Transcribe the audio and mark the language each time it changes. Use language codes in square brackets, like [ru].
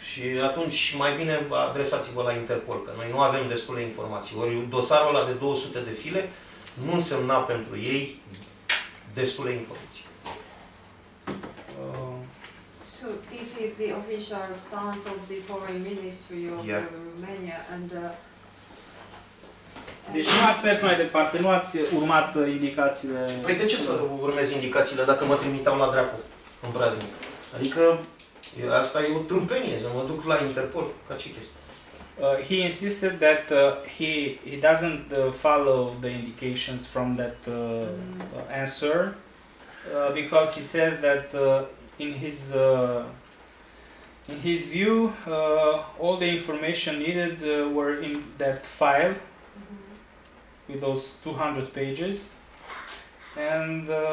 [ro] Și atunci mai bine adresați-vă la Interpol, că noi nu avem destule informații. Ori dosarul ăla de 200 de file nu însemna pentru ei destule informații. [en] So this is the official stance of the foreign ministry of Romania and [ro] deci nu ați mers mai departe, nu ați urmat indicațiile. Păi de ce să urmez indicațiile dacă mă trimiteau la dreapă, în praznic? Adică asta e o tâmpenie, să mă duc la Interpol, ca ce chestie. [en] He insisted that he doesn't follow the indications from that answer because he says that in his view all the information needed were in that file with those 200 pages and